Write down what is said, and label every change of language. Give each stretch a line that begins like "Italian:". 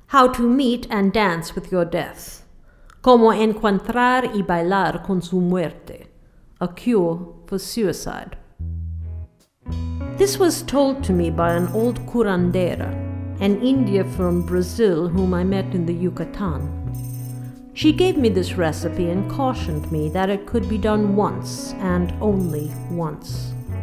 English: How to meet and dance with your death.
Spanish: Cómo encontrar y bailar con su muerte.
English: A cure for suicide. This was told to me by an old curandera, an Indian from Brazil whom I met in the Yucatan. She gave me this recipe and cautioned me that it could be done once and only once.